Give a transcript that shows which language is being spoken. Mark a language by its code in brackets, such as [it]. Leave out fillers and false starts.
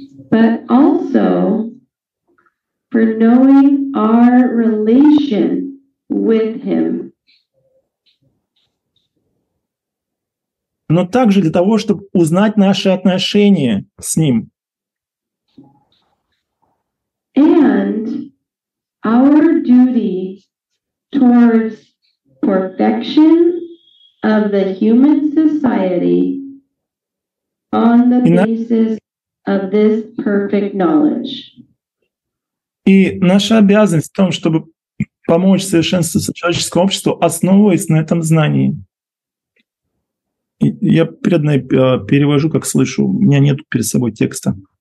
[en] But also for knowing our relation with him. [ru] Но также для того, чтобы узнать наши отношения с ним. [en] And our duty towards perfection of the human society on the basis of this perfect knowledge. [ru] И наша обязанность в том, чтобы помочь совершенствоваться человеческому обществу, основываясь на этом знании. Я преданно перевожу, как слышу. У меня нет перед собой текста.